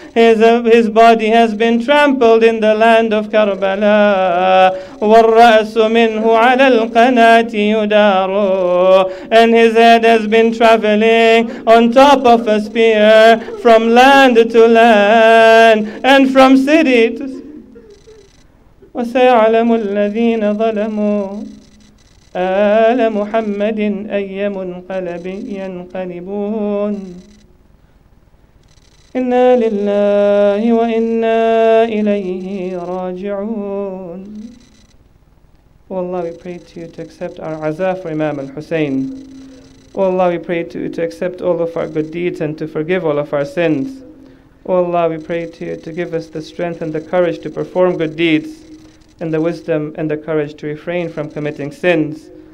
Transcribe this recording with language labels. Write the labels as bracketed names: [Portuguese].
[English] His body has been trampled in the land of Karbala. [Arabic] Wal-ra'su minhu ala al-qanati yudaru. [English] And his head has been traveling on top of a spear from land to land and from city to city. [Arabic] وسيعلم الذين ظلموا آل محمد أي منقلب ينقلبون إنا لله وإنا إليه راجعون. [English] O Allah, we pray to you to accept our aza for Imam al-Hussein. O Allah, we pray to you to accept all of our good deeds and to forgive all of our sins. O Allah, we pray to you to give us the strength and the courage to perform good deeds, and the wisdom and the courage to refrain from committing sins.